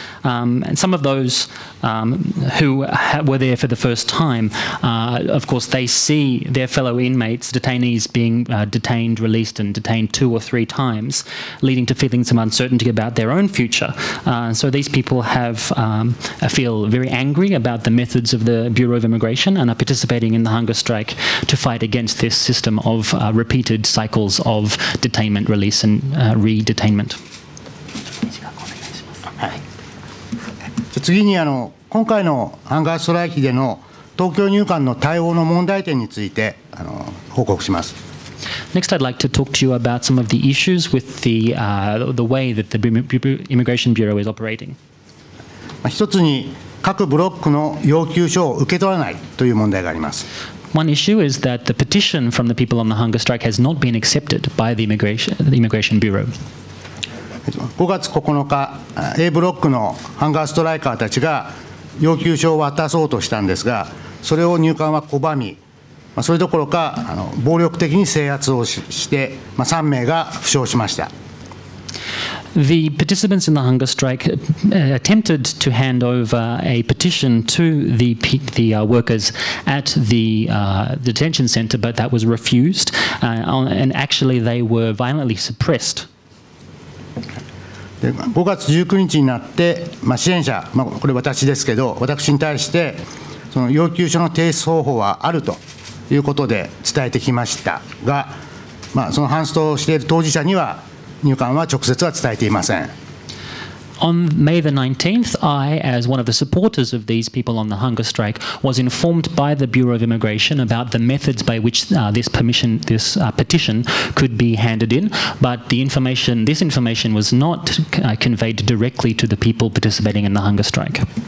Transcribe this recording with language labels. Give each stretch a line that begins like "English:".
English: And some of those who were there for the first time, of course, they see their fellow inmates, detainees being detained, released and detained two or three times, leading to feeling some uncertainty about their own future. So these people have feel very angry about the methods of the Bureau of Immigration and are participating in the hunger strike to fight against this system of repeated cycles of detainment, release and re-detainment.
Japanese: 次に今回のハンガーストライキでの東京入管の対応の問題点について報告します。
English: Next, I'd like to talk to you about some of the issues with the way that the Immigration Bureau is operating.
Japanese: 一つに各ブロックの要求書を受け取らないという問題があります。
English: One issue is that the petition from the people on the hunger strike has not been accepted by the Immigration Bureau.
Japanese: 5月9日、A ブロックのハンガーストライカーたちが要求書を渡そうとしたんですが、それを入管は拒み、それどころか暴力的に制圧をして、3名が負傷しました。
English: The participants in the hunger strike attempted to hand over a petition to the workers at the detention center, but that was refused, and actually they were violently suppressed.
Japanese: 5月19日になって、支援者、これ私ですけど、私に対してその要求書の提出方法はあるということで伝えてきましたが、そのハンストをしている当事者には入管は直接は伝えていません。
English: On May the 19th, I, as one of the supporters of these people on the hunger strike, was informed by the Bureau of Immigration about the methods by which this petition could be handed in, but this information was not conveyed directly to the people participating in the hunger strike.